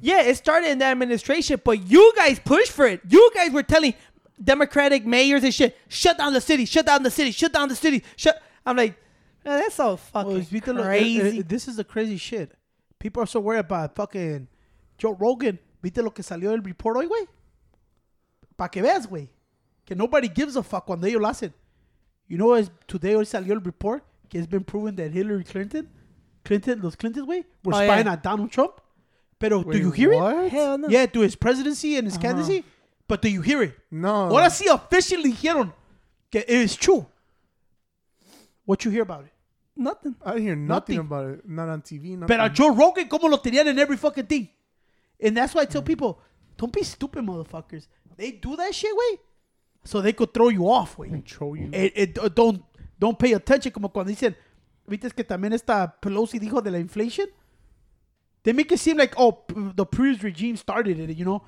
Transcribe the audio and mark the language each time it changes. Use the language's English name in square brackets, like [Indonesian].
[English] Yeah, it started in the administration, but you guys pushed for it. You guys were telling Democratic mayors and shit, shut down the city, shut down the city, shut down the city. I'm like, man, that's so fucking crazy. This is the crazy shit. People are so worried about fucking Joe Rogan. [Spanish] ¿Viste lo que salió el report hoy, güey? Pa' que veas, güey. Que [English] nobody gives a fuck [Spanish] cuando ellos lo hacen. [English] You know, today [Spanish] hoy salió el report. [English] It's been proven that Hillary Clinton, those Clintons, way, were spying on Donald Trump. Pero, wait, do you hear what? It? Hell no. Yeah, through his presidency and his candidacy. But do you hear it? No. What I see officially here, it is true. What you hear about it? Nothing. I didn't hear nothing about it. Not on TV. Nothing. [Spanish] Pero Joe Rogan, como lo tenían en [English] every fucking thing. And that's why I tell people, don't be stupid, motherfuckers. They do that shit, way, so they could throw you off, way. Control you. Don't pay attention, [Spanish] como cuando dicen, ¿viste que también esta Pelosi dijo de la inflation? [English] They make it seem like, oh, the previous regime started it, you know?